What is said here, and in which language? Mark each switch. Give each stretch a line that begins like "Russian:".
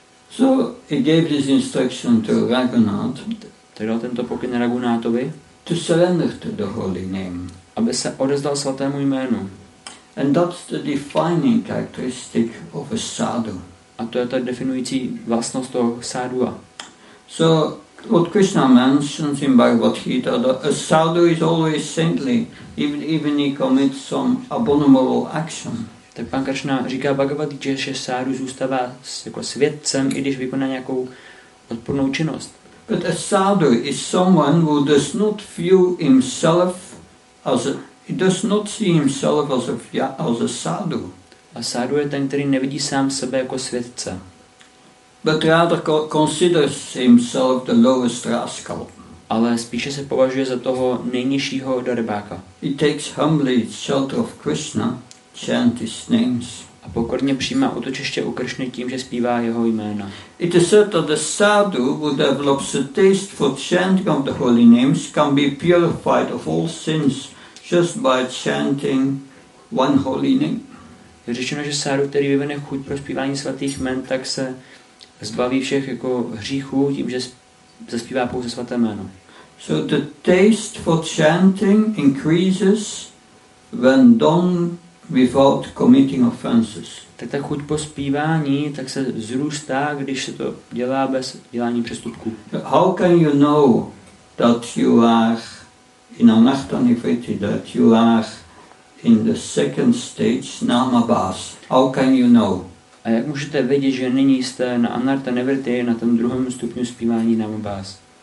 English: So he gave this instruction to Raghunath.
Czech: Tak dal tento pokyn Raghunathovi.
English: To surrender to the holy name.
Czech: Aby se odezdal svatému jménu.
English: And that's the defining characteristic of a sadhu.
Czech: A to je ta definující vlastnost toho sadhua.
English: So what Krishna mentions in Bhagavad Gita, a sadhu is always saintly, even he commits some abominable action.
Czech: Tak pan Krishna říká Bhagavad Gita, že sadhu zůstává jako světcem, i když vykoná nějakou odpornou činnost.
English: But a sadhu is someone who does not view himself as a He does not see himself as a sadhu.
Czech: A sadhu je ten, který nevidí sám sebe jako světce.
English: But rather considers himself the lowest rascal.
Czech: Ale spíše se považuje za toho nejnižšího darebáka.
English: He takes humbly shelter of Krishna, chant his names.
Czech: A pokorně přijímá útočiště u Krishny tím, že zpívá jeho jména.
English: It is said that the sadhu who develops a taste for chanting of the holy names can be purified of all sins just by chanting one holy name.
Czech: Je řečeno, že sádu, který vyvine chuť pro zpívání svatých jmen, tak se zbaví všech jako hříchů tím, že zaspívá pouze svaté jméno.
English: So the taste for chanting increases when done without committing offenses.
Czech: Tak ta chuť po zpívání tak se zrůstá, když se to dělá bez dělání přestupků.
English: How can you know that you are in anartanivriti, that you are in the second stage, namabhas. How can you know?
Czech: A jak můžete vědět, že nyní jste na anartanivriti, na tom druhém stupňu zpívání namabhas?